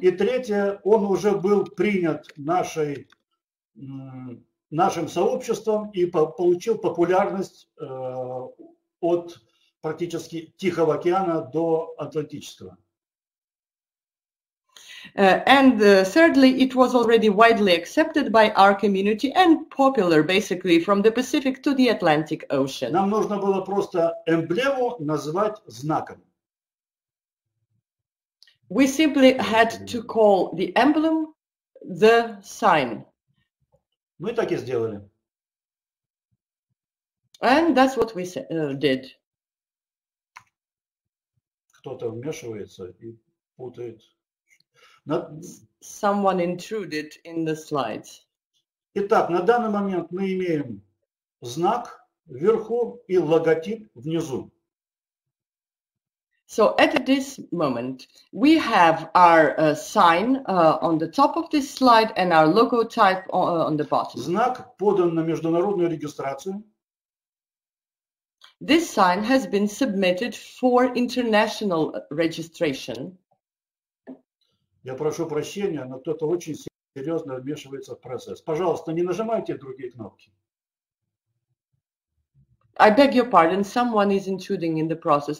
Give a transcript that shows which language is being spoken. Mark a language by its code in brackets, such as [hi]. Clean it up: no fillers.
[ru] И третье, он уже был принят нашим сообществом и получил популярность от практически Тихого океана до Атлантического. [en] Thirdly, it was already widely accepted by our community and popular, basically, from the Pacific to the Atlantic Ocean. [ru] Нам нужно было просто эмблему назвать знаком. [en] We simply had to call the emblem the sign. [ru] Мы так и сделали. [en] And that's what we did. [ru] Кто-то вмешивается и путает. [en] Someone intruded in the slides. [ru] Итак, на данный момент мы имеем знак вверху и логотип внизу. [en] So at this moment we have our sign on the top of this slide and our logotype on the bottom. [ru] Знак подан на международную регистрацию. [en] This sign has been submitted for international registration. [ru] Я прошу прощения, но кто-то очень серьезно вмешивается в процесс. Пожалуйста, не нажимайте другие кнопки. [en] I beg your pardon, someone is intruding in the process.